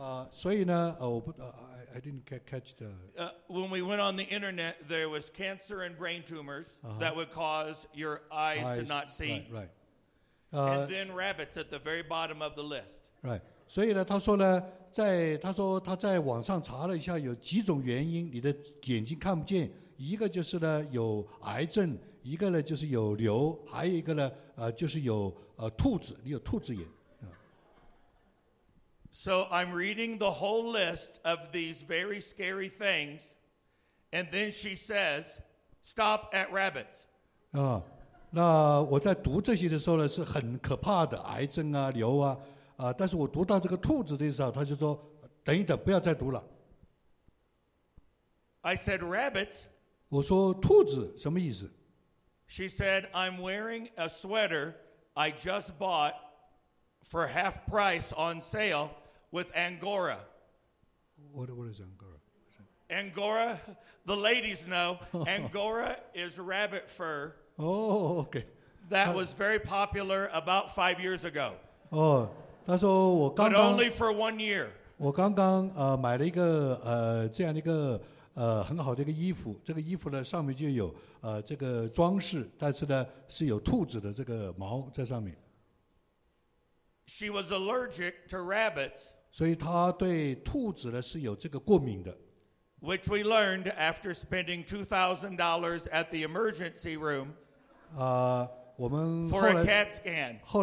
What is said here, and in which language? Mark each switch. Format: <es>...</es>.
<en>So, you know, I didn't catch the. When we went on the internet, there was cancer and brain tumors that would cause your eyes to not see. Right. And then rabbits at the very bottom of the list. Right. So, you know, he said.</en> <zh>他说他在网上查了一下，有几种原因你的眼睛看不见，一个就是呢有癌症，一个呢就是有瘤，还有一个呢就是有兔子，你有兔子眼。</zh> <en>So I'm reading the whole list of these very scary things, and then she says, "Stop at rabbits."</en> <zh>那我在读这些的时候呢，是很可怕的癌症啊，瘤啊。但是我读到这个兔子的时候，他就说：“等一等，不要再读了。”</zh> <en>I said rabbits.</en> <zh>我说兔子什么意思</zh> <en>She said, I'm wearing a sweater I just bought for half price on sale with Angora. What is Angora? Angora, the ladies know, Angora is rabbit fur. Oh, okay. That was very popular about 5 years ago.</en> <zh>Oh, 他说我刚刚,</zh> <en>but only for 1 year.</en> <zh>我刚刚买了一个很好的一个衣服，这个衣服呢上面就有这个装饰，但是呢是有兔子的这个毛在上面。</zh> <en>She was allergic to rabbits.</en> <zh>所以他对兔子呢是有这个过敏的。</zh> <en>Which we learned after spending $2,000 at the emergency room for a CAT scan.</en>